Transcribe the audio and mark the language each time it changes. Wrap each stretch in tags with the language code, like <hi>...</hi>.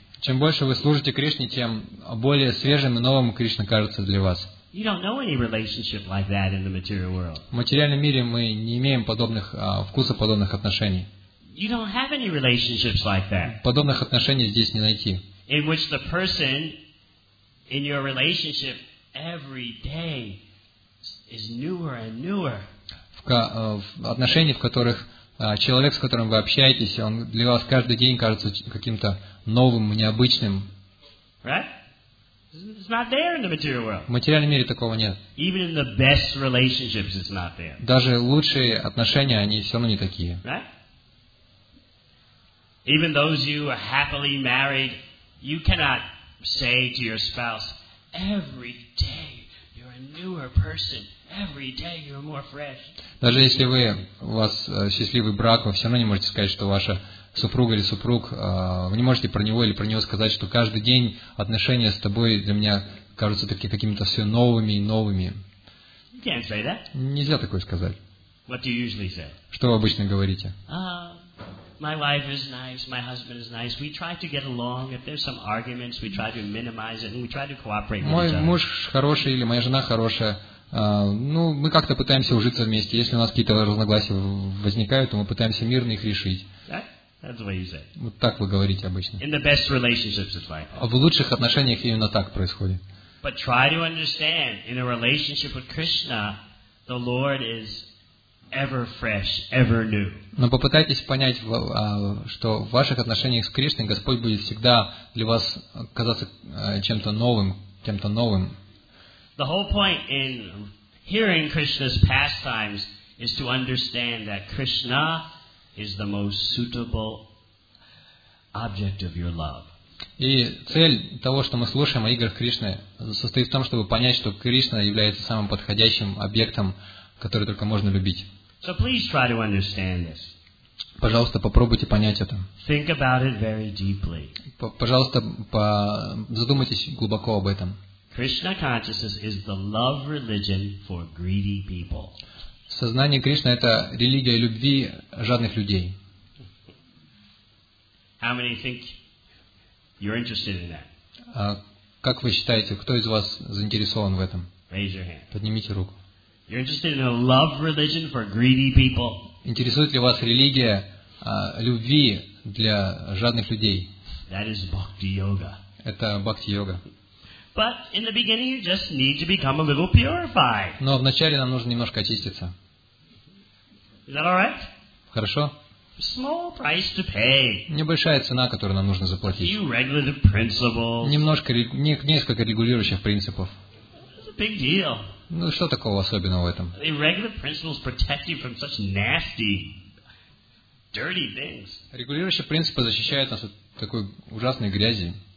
<ru>Чем больше вы служите Кришне, тем более свежим и новым Кришна кажется для вас.</ru> <en>You don't know any relationship like that in the material world.</en> <ru>В материальном мире мы не имеем подобных вкуса, подобных отношений.</ru> <en>You don't have any relationships like that.</en> <ru>Подобных отношений здесь не найти.</ru> <en>In which the person in your relationship every day is newer and newer.</en> <ru>В отношении, в которых человек, с которым вы общаетесь, он для вас каждый день кажется каким-то новым, необычным.</ru> <en>Right? It's not there in the material world.</en> <ru>В материальном мире такого нет.</ru> <en>Even in the best relationships, it's not there.</en> <ru>Даже лучшие отношения, они все равно не такие.</ru> <en>Right? Even those you are happily married, you cannot say to your spouse, every day you're a newer person. Every day you're more fresh.</en> <ru>Даже если вы, у вас счастливый брак, вы все равно не можете сказать, что ваша супруга или супруг, вы не можете про него или про него сказать, что каждый день отношения с тобой для меня кажутся такими какими-то все новыми и новыми.</ru> <en>You can't say that.</en> <ru>Нельзя такое сказать.</ru> <en>What do you usually say?</en> <ru>Что вы обычно говорите?</ru> <en>My wife is nice, my husband is nice. We try to get along. If there's some arguments, we try to minimize it and we try to cooperate with each other.</en> <ru>Мой муж хороший или моя жена хорошая. Ну, мы как-то пытаемся ужиться вместе. Если у нас какие-то разногласия возникают, то мы пытаемся мирно их решить.</ru> <en>That's the way you say.</en> <ru>Вот так вы говорите обычно.</ru> <en>In the best relationships, it's like.</en> <ru>В лучших отношениях именно так происходит.</ru> <en>But try to understand, in a relationship with Krishna, the Lord is ever fresh, ever new.</en> <ru>Но попытайтесь понять, что в ваших отношениях с Кришной Господь будет всегда для вас казаться чем-то новым, кем-то новым.</ru> <en>The whole point in hearing Krishna's pastimes is to understand that Krishna is the most suitable object of your love.</en> <ru>И цель того, что мы слушаем о играх Кришны, состоит в том, чтобы понять, что Кришна является самым подходящим объектом, который только можно любить.</ru> <en>So please try to understand this.</en> <ru>Пожалуйста, попробуйте понять это.</ru> <en>Think about it very deeply.</en> <ru>Пожалуйста, задумайтесь глубоко об этом.</ru> <en>Krishna consciousness is the love religion for greedy people.</en> <ru>Сознание Кришны — это религия любви жадных людей.</ru> <en>How many think you're interested in that?</en> <ru>Как вы считаете, кто из вас заинтересован в этом?</ru> <en>Raise your hand.</en> <ru>Поднимите руку.</ru> <en>You're interested in a love religion for greedy people?</en> <ru>Интересует ли вас религия любви для жадных людей?</ru> <en>That is bhakti yoga.</en> <ru>Это бхакти йога.</ru> <en>But in the beginning, you just need to become a little purified.</en> <ru>Но вначале нам нужно немножко очиститься.</ru> <en>Is that all right?</en> <ru>Хорошо.</ru> <en>Small price to pay.</en> <ru>Небольшая цена, которую нам нужно заплатить.</ru> <en>A few regulative principles.</en> <ru>Несколько регулирующих принципов.</ru> <en>It's a big deal.</en> <ru>Ну что такого особенного в этом?</ru> <en>Regular principles protect you from such nasty, dirty things.</en> <ru>Регулирующие принципы защищают нас от такой ужасной грязи.</ru>